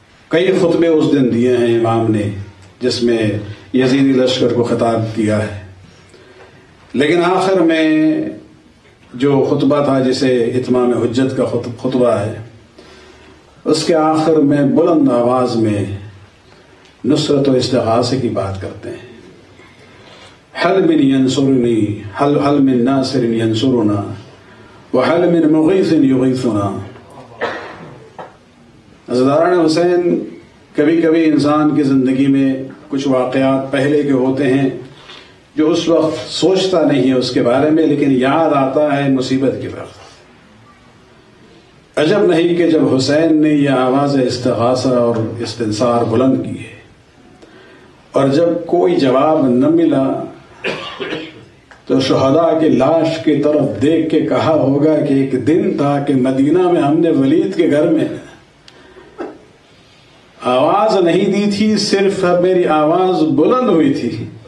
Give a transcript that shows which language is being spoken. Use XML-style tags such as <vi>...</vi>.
<ur>کئی خطبے اس دن دیے ہیں امام نے جس میں یزیدی لشکر کو خطاب کیا ہے, لیکن آخر میں جو خطبہ تھا جسے اتمام حجت کا خطبہ ہے, اس کے آخر میں بلند آواز میں نصرت و استغاثہ کی بات کرتے ہیں.</ur> <ar>حل من ینصرنی, حل من ناصر ینصرنا, وحل من مغیث یغیثنا.</ar> <ur>حضرت حسین, کبھی کبھی انسان کی زندگی میں کچھ واقعات پہلے کے ہوتے ہیں جو اس وقت سوچتا نہیں ہے اس کے بارے میں, لیکن یاد آتا ہے مصیبت کے وقت. عجب نہیں کہ جب حسین نے یہ آواز استغاثہ اور استنصار بلند کی ہے اور جب کوئی جواب نہ ملا تو شہداء کی لاش کی طرف دیکھ کے کہا ہوگا کہ ایک دن تھا کہ مدینہ میں ہم نے ولید کے گھر میں آواز نہیں دی تھی, صرف میری آواز بلند ہوئی تھی.</ur>